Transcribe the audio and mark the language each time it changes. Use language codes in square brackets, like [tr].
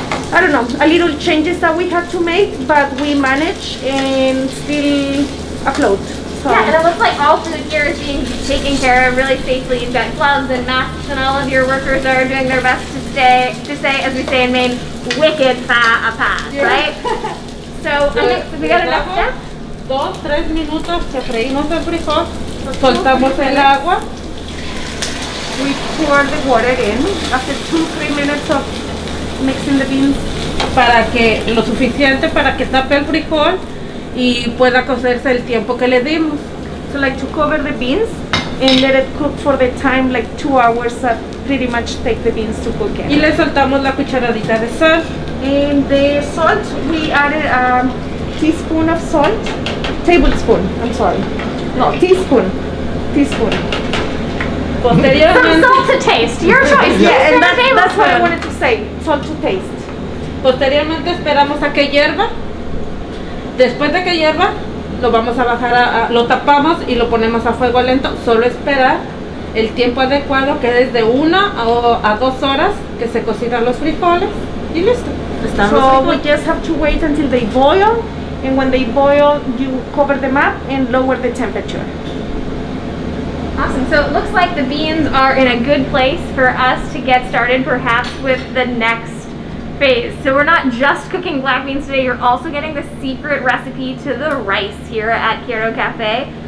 [en] I don't know, a little changes that we had to make, but we managed and still afloat. So. Yeah, and it looks like all food here is being taken care of really safely. You've got gloves and masks, and all of your workers are doing their best to stay, as we say in Maine, wicked fa a pa, right? So we got enough steps. [es] 2-3 minutos que freímos el frijol, soltamos el agua. [en] We pour the water in after 2-3 minutes of mixing the beans. [es] Para que lo suficiente para que tape el frijol y pueda cocerse el tiempo que le dimos. [en] So like to cover the beans and let it cook for the time, like 2 hours that pretty much take the beans to cook in. [es] Y le soltamos la cucharadita de sal. [en] And And the salt, we added a teaspoon of salt. Teaspoon. From salt to taste, your choice. Yeah, and that's what I wanted to say, salt to taste. [es] Posteriormente esperamos a que hierva. Después de que hierva, lo vamos a bajar, lo tapamos y lo ponemos a fuego lento. Solo esperar el tiempo adecuado, que es de 1 a 2 horas, que se cocinan los frijoles y listo. [en] So we just have to wait until they boil, and when they boil, you cover them up and lower the temperature. Awesome. So it looks like the beans are in a good place for us to get started, perhaps with the next phase. So we're not just cooking black beans today, you're also getting the secret recipe to the rice here at Quiero Cafe.